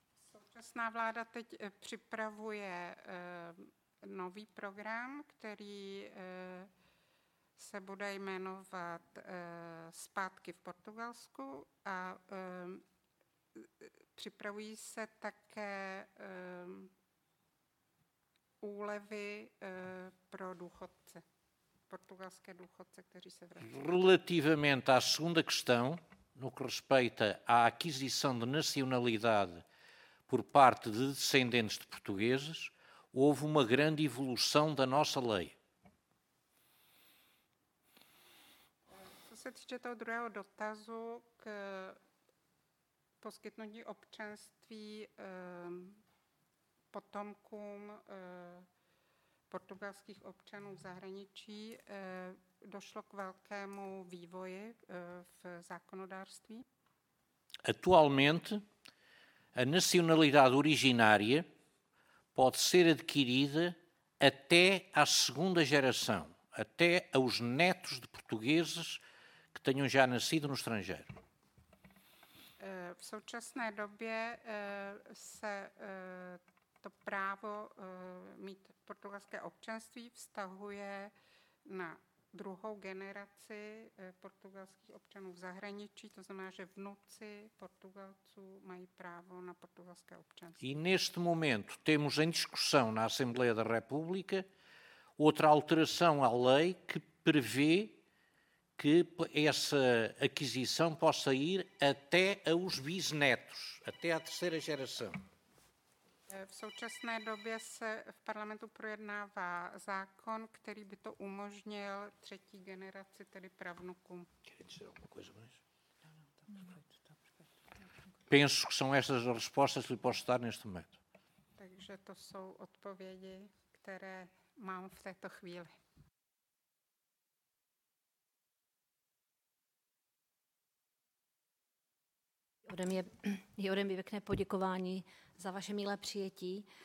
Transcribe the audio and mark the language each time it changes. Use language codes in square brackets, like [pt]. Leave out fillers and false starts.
[cs] Současná vláda teď připravuje nový program, který se bude jmenovat Zpátky v Portugalsku, a připravují se také úlevy pro důchodce, portugalské důchodce, kteří se vrací. [pt] Relativamente à segunda questão, no que respeita à aquisição de nacionalidade por parte de descendentes de portugueses, houve uma grande evolução da nossa lei. [cs] Co se týče toho druhého dotazu, k poskytnutí občanství potomkům portugalských občanů v zahraničí, došlo k velkému vývoji v zákonodárství? [pt] Atualmente, a nacionalidade originária pode ser adquirida até à segunda geração, até aos netos de portugueses que tenham já nascido no estrangeiro. [cs] V současné době se to právo mít portugalské občanství vztahuje na druhou generaci portugalských občanů v zahraničí, to znamená, že vnuci Portugalců mají právo na portugalské občanství. [pt] E neste momento temos em discussão na Assembleia da República outra alteração à lei que prevê que essa aquisição possa ir até aos bisnetos, até à terceira geração. [cs] V současné době se v parlamentu projednává zákon, který by to umožnil třetí generaci, tedy pravnukům. [pt] Penso que são estas as respostas que lhe posso dar neste momento. [cs] Takže to jsou odpovědi, které mám v této chvíli. Ode mě věkné poděkování za vaše milé přijetí.